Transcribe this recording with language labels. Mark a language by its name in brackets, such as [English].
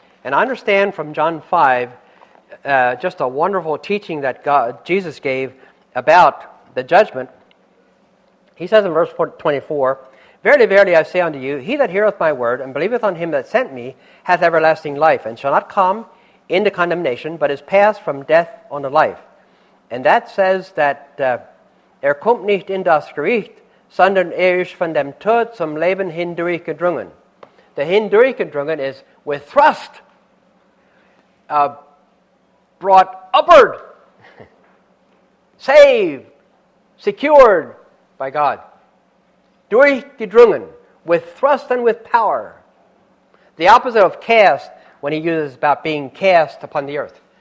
[English] And I understand from John 5, just a wonderful teaching that Jesus gave about the judgment. He says in verse 24, verily, verily, I say unto you, he that heareth my word and believeth on him that sent me hath everlasting life and shall not come into condemnation, but is passed from death unto life. And that says that [German] kommt nicht in das Gericht, sondern ist von dem Tod zum Leben hindurchgedrungen. [English] The hindurchgedrungen is with thrust, brought upward, saved, secured by God. Durchgedrungen, with thrust and with power. The opposite of cast, when he uses about being cast upon the earth.